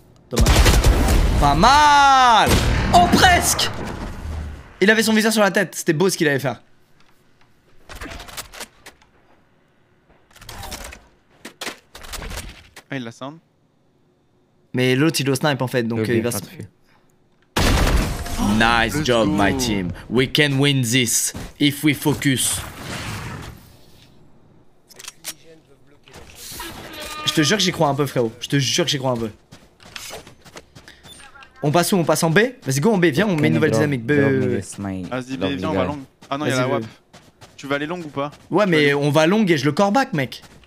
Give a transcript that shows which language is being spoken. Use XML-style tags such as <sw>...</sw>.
<fr>Dommage. Pas mal! Oh, presque! Il avait son viseur sur la tête, c'était beau ce qu'il avait fait. Ah, il la sound. Mais l'autre il doit snipe en fait, donc okay, il va se.</fr> <en>Nice Let's job go. My team. We can win this if we focus.</en> <fr>Je te jure que j'y crois un peu, frérot. Je te jure que j'y crois un peu. On passe où? On passe en B? Vas-y go en B, viens, on met une nouvelle dynamique. Vas-y B, viens, on va long. Ah non, y'a la WAP. Tu veux aller long ou pas? Ouais, mais on va long et je le core back, mec.</fr>